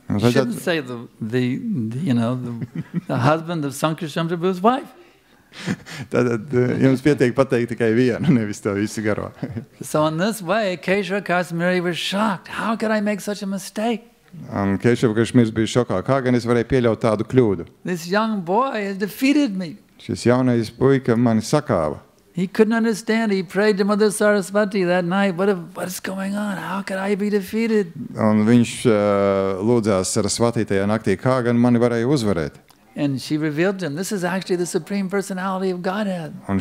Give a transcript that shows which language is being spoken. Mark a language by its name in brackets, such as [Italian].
[English] You shouldn't say the husband of Sankarshan Prabhu's wife. [Latvian] Tātad jums pietiek pateikt tikai vienu, nevis to visu garo. [English] So in this way, Keshava Kashmiri was shocked. How could I make such a mistake? [Latvian] Keshava Kashmiris bija šokā. Kā gan es varēju pieļaut tādu kļūdu? [English] This young boy has defeated me. [Latvian] Šis jaunais puika mani sakāva. [English] He couldn't understand. He prayed to Mother Saraswati that night. What is going on? How could I be defeated? [Latvian] Un viņš lūdzās Saraswati tajā naktī, kā gan mani varēja uzvarēt? [English] And she revealed to him, this is actually the Supreme Personality of Godhead.